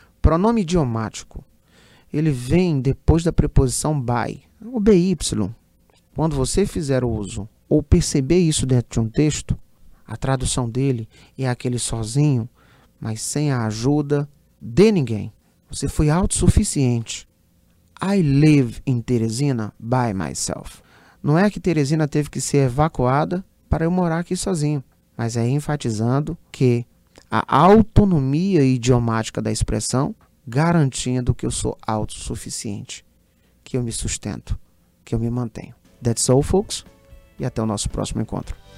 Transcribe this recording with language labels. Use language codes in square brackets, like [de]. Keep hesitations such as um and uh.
[pt] Pronome idiomático. Ele vem depois da preposição by, o by. Quando você fizer o uso ou perceber isso dentro de um texto, a tradução dele é aquele sozinho, mas sem a ajuda de ninguém. Você foi autossuficiente. [en] I live in Teresina by myself. [pt] Não é que Teresina teve que ser evacuada para eu morar aqui sozinho, mas é enfatizando que a autonomia idiomática da expressão, garantindo que eu sou autossuficiente, que eu me sustento, que eu me mantenho. [en] That's all, folks, [pt] e até o nosso próximo encontro.